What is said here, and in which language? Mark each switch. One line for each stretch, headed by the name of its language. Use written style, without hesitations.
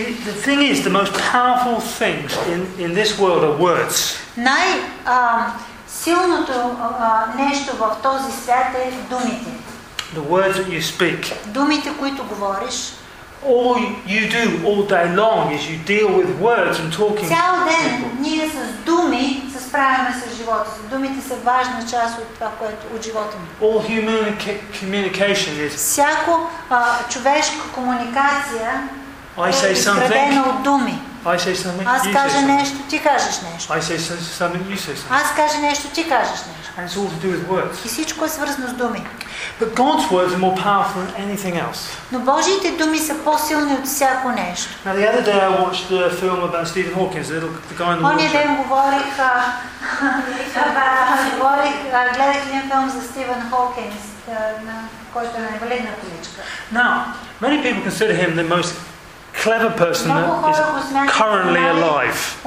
English: The thing is, the most powerful things in this world are words.
Bulgarian: Най-силното нещо в този свят е думите.
English: The words that you speak.
Bulgarian: Думите, които говориш.
English: All you do all day long is you deal with words and talking.
Bulgarian: Цял ден ние с думи се справяме с живота. Думите са важна част от това, което от живота ми.
English: All human communication is.
Bulgarian: Всяко човешка комуникация.
English: I say something. I say something.
Bulgarian: Аз кажа нещо, ти кажеш нещо.
English: I say something, you say something.
Bulgarian: Аз кажа нещо, ти кажеш нещо.
English: And it's all to do with words.
Bulgarian: И всичко е свързано с думи.
English: But God's words are more powerful than anything else.
Bulgarian: Но Божиите думи са по-силни от всяко нещо.
English: Now the other day I watched a film about Stephen Hawking, the guy in the wheelchair.
Bulgarian: Оня ден говорих, гледах един филм за Стивен Хокинг, който е инвалидна количка.
English: Now, many people consider him the most clever person that is currently alive.